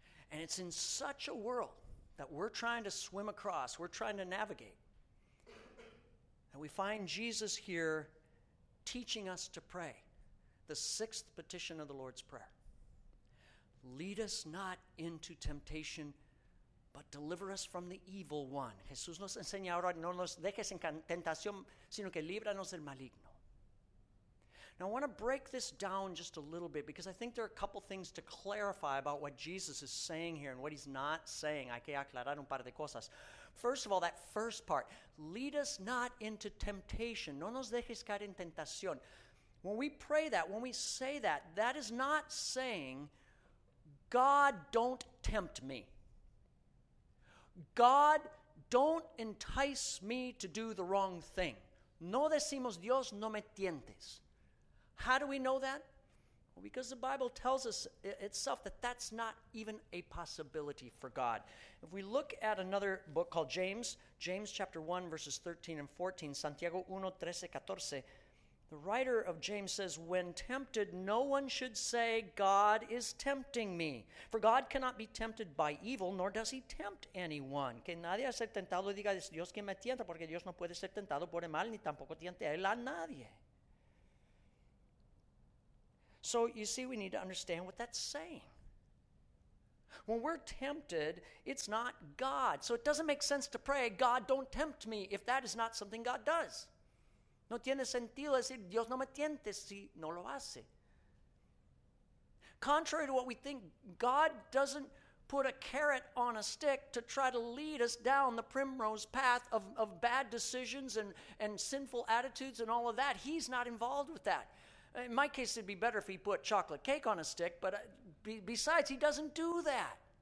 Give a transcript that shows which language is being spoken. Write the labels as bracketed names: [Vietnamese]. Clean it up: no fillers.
[English] And it's in such a world that we're trying to swim across, we're trying to navigate, that we find Jesus here teaching us to pray the sixth petition of the Lord's Prayer. Lead us not into temptation, but deliver us from the evil one. [Spanish] Jesús nos enseña ahora, no nos dejes en tentación, sino que líbranos del maligno. [English] Now I want to break this down just a little bit, because I think there are a couple things to clarify about what Jesus is saying here and what he's not saying. [Spanish] Hay que aclarar un par de cosas. [English] First of all, that first part, lead us not into temptation. [Spanish] No nos dejes caer en tentación. [English] When we pray that, when we say that, that is not saying, God, don't tempt me. God, don't entice me to do the wrong thing. [Spanish] No decimos, Dios, no me tientes. [English] How do we know that? Well, because the Bible tells us itself that that's not even a possibility for God. If we look at another book called James, James chapter 1, verses 13 and 14, Santiago 1, 13, 14, the writer of James says, when tempted, no one should say, God is tempting me. For God cannot be tempted by evil, nor does he tempt anyone. [Spanish] Que nadie a ser tentado diga, es Dios quien me tienta, porque Dios no puede ser tentado por el mal, ni tampoco tiente a él a nadie. [English] So you see, we need to understand what that's saying. When we're tempted, it's not God. So it doesn't make sense to pray, God, don't tempt me, if that is not something God does. [Spanish] No tiene sentido decir, Dios no me tiente si no lo hace. [English] Contrary to what we think, God doesn't put a carrot on a stick to try to lead us down the primrose path of bad decisions and sinful attitudes and all of that. He's not involved with that. In my case, it'd be better if he put chocolate cake on a stick, but besides, he doesn't do that.